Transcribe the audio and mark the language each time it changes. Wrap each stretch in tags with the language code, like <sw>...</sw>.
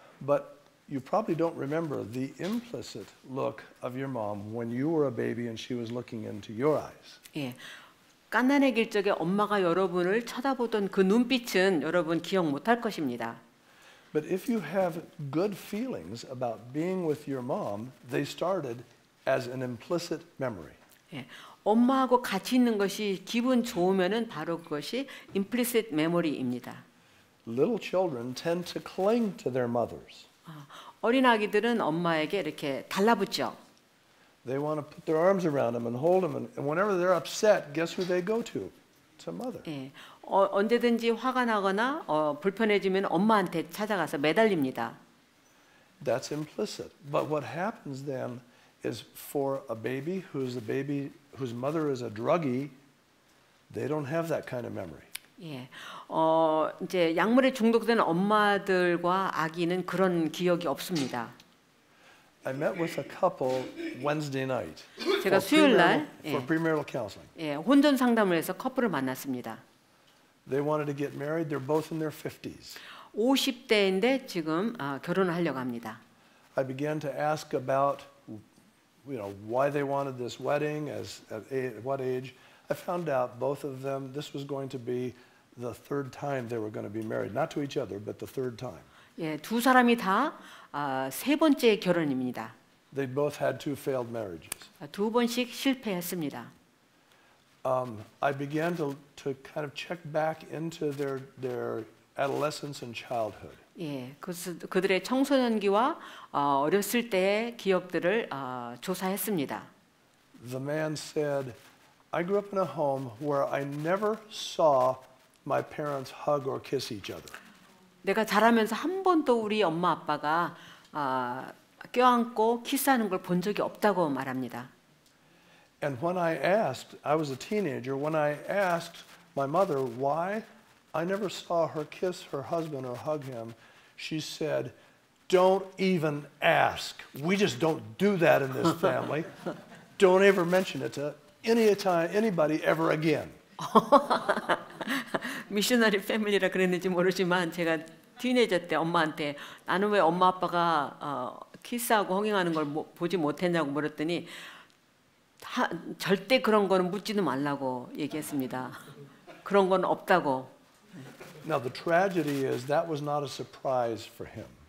<en>But you probably don't remember the implicit look of your mom when you were a baby and she was looking into your eyes.</en> <ko>예. 갓난의 길적에 엄마가 여러분을 쳐다보던 그 눈빛은 여러분 기억 못할 것입니다.</ko> <en>But if you have good feelings about being with your mom, they started as an implicit memory.</en> <ko>예, 엄마하고 같이 있는 것이 기분 좋으면은 바로 그것이 implicit memory입니다.</ko> <en>Little children tend to cling to their mothers.</en> <ko>어린 아기들은 엄마에게 이렇게 달라붙죠.</ko> <en>They want to put their arms around them and hold them. And whenever they're upset, guess who they go to? To mother.</en> <ko>예, 언제든지 화가 나거나 불편해지면 엄마한테 찾아가서 매달립니다.</ko> <en>That's implicit. But what happens then is for a baby who's a baby whose mother is a druggie, they don't have that kind of memory.</en> <ko>예, 이제 약물에 중독된 엄마들과 아기는 그런 기억이 없습니다.</ko> <en>I met with a couple Wednesday night.</en> <ko>제가 수요일 날</ko> <en>for premarital counseling.</en> <ko>예, 혼전 상담을 해서 커플을 만났습니다.</ko> <en>They wanted to get married. They're both in their 50s.</en> <ko>50대인데 지금 결혼을 하려고 합니다.</ko> <en>I began to ask about you know why they wanted this wedding as at what age. I found out both of them this was going to be the third time they were going to be married, not to each other, but the third time.</en> <ko>예, 두 사람이 다 세 번째 결혼입니다.</ko> <en>They both had two failed marriages.</en> <ko>두 번씩 실패했습니다.</ko> <en>I began to kind of check back into their adolescence and childhood.</en> <ko>예, 그들의 청소년기와 어렸을 때의 기억들을 조사했습니다.</ko> <en>The man said, I grew up in a home where I never saw my parents hug or kiss each other.</en> <ko>내가 자라면서 한 번도 우리 엄마 아빠가 껴안고 키스하는 걸 본 적이 없다고 말합니다.</ko> <en>And when I asked, I was a teenager, when I asked my mother why I never saw her kiss her husband or hug him, she said, "Don't even ask. We just don't do that in this family. Don't ever mention it to anybody ever again."</en> <ko>미셔너리 패밀리라 그랬는지 모르지만 제가 티네이저 때 엄마한테 나는 왜 엄마 아빠가 키스하고 허깅하는 걸 보지 못했냐고 물었더니 절대 그런 거는 묻지도 말라고 얘기했습니다. 그런 건 없다고.</ko> <en>Now the tragedy is that was not a surprise for him.</en>